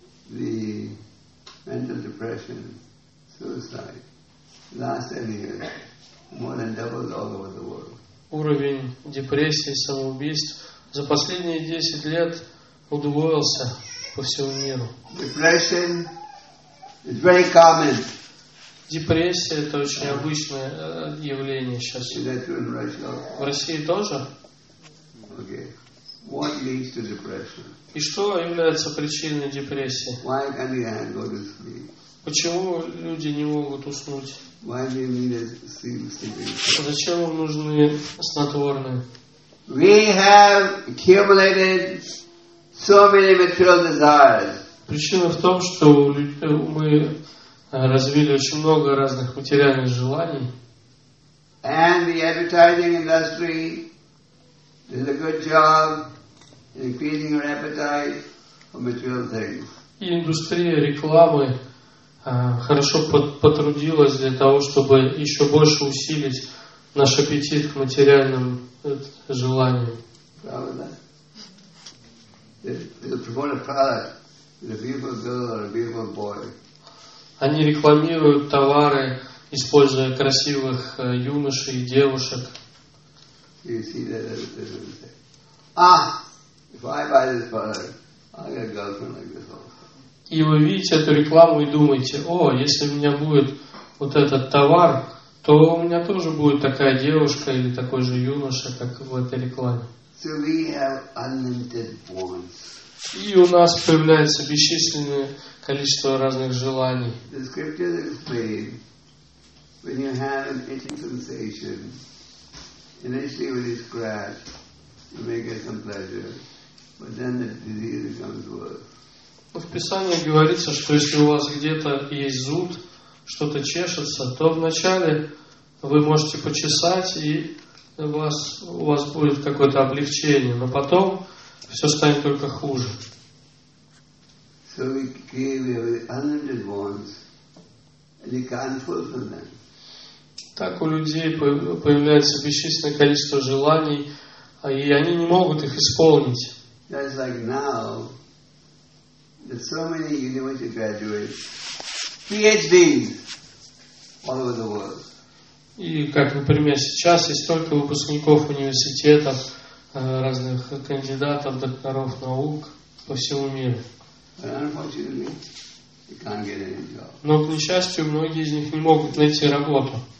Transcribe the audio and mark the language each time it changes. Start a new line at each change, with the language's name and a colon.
English: The mental depression, suicide, last 10 years, more than doubled all over the world.
Russian: Уровень депрессии, самоубийств за последние 10 лет удвоился по всему миру.
English: Depression is very common.
Russian: Депрессия – это очень обычное явление сейчас.
English: Is that true in Russia?
Russian: В России тоже?
English: Okay. What leads to depression?
Russian: И что является причиной депрессии?
English: Why can't you go to sleep?
Russian: Почему люди не могут уснуть?
English: Why do you need a sleeping pill?
Russian: Зачем вам нужны снотворные?
English: We have accumulated so many material desires.
Russian: Причина в том, что мы развили очень много разных материальных желаний.
English: And the advertising industry did a good job in increasing your appetite for material things.
Russian: И индустрия рекламы хорошо потрудилась для того, чтобы еще больше усилить наш аппетит к материальным желаниям. Правда?
English: It's a promoted product. It's a beautiful girl or a beautiful boy.
Russian: Они рекламируют товары, используя красивых юношей и девушек.
English: You see that if I buy this product, I'll get a girlfriend like this also.
Russian: И вы видите эту рекламу и думаете, о, если у меня будет вот этот товар, то у меня тоже будет такая девушка или такой же юноша, как в этой рекламе.
English: So we have unlimited wants.
Russian: И у нас появляется бесчисленное количество разных желаний.
English: The scriptures explain, when you have an itching sensation, initially when you scratch, you may get some pleasure, but then the disease becomes worse.
Russian: В Писании говорится, что если у вас где-то есть зуд, что-то чешется, то вначале вы можете почесать, и у вас будет какое-то облегчение, но потом все станет только хуже.
English: So we have unlimited wants, and you can't fulfill them.
Russian: Так у людей появляется бесчисленное количество желаний, и они не могут их исполнить.
English: That's like now. There's so many university graduates, PhDs, all over the world.
Russian: И как, например, сейчас есть столько выпускников университетов, разных кандидатов, докторов наук по всему миру.
English: But unfortunately, they can't get any job.
Russian: Но, к несчастью, многие из них не могут найти работу.